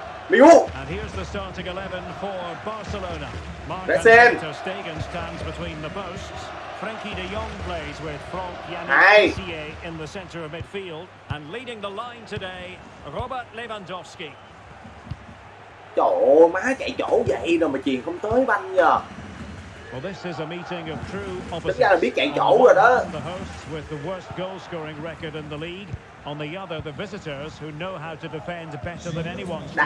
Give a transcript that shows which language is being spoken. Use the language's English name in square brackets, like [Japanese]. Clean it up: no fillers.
[English] Miu. And here's the starting 11 for Barcelona. That's him. Stegen stands between the posts. Frankie de Jong plays with Franck Yannick in the center of midfield, and leading the line today, Robert Lewandowski. [Vietnamese] Trời ơi, má chạy chỗ vậy rồi mà chuyền không tới banh nhờ. [English] Well, this is a meeting of true opposites. [Vietnamese] Tính ra là biết chạy chỗ rồi đó. [English] The hosts with the worst goal scoring record in the league. On the other, the visitors who know how to defend better than anyone.